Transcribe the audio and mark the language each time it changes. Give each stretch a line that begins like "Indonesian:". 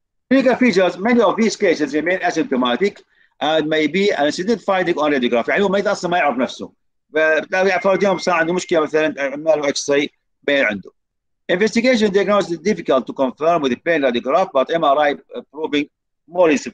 English: Clinical features, many of these cases remain asymptomatic and may be an incident finding on radiography.
Arabic: يعني هو ما يتأثر ما يعرف نفسه. بتلاقي في اليوم صار عنده مشكله مثلا عمال اكس راي بين عنده.
English: Investigation diagnosis is difficult to confirm with the pain radiograph but MRI proving more useful.